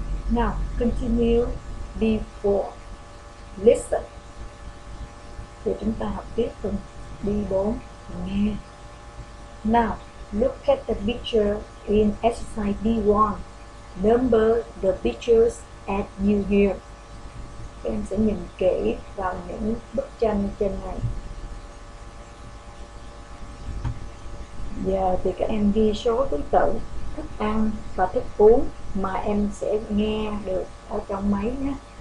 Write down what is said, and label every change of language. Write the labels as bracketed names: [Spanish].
[English] Now continue B4. Listen. [Vietnamese] Thì chúng ta học tiếp phần B4. Nghe. [English] Now, look at the picture in exercise B1. Number the pictures at New Year. [Vietnamese] Em sẽ nhìn kỹ vào những bức tranh trên này. Giờ thì các em ghi số thứ tự, thức ăn và thức uống mà em sẽ nghe được ở trong máy nhé.